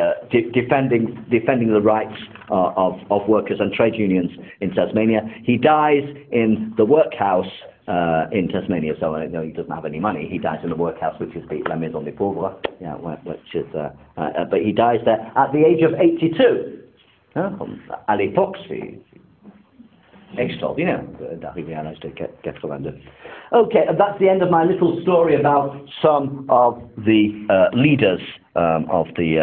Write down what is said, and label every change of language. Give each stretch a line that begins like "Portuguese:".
English: Defending the rights of workers and trade unions in Tasmania. He dies in the workhouse in Tasmania, so no, he doesn't have any money. He dies in the workhouse, which is the
French: La Maison des Pauvres,
English: but he dies there at the age of 82.
French: À l'époque, extraordinaire d'arriver à l'âge de.
English: Okay, and that's the end of my little story about some of the leaders of the.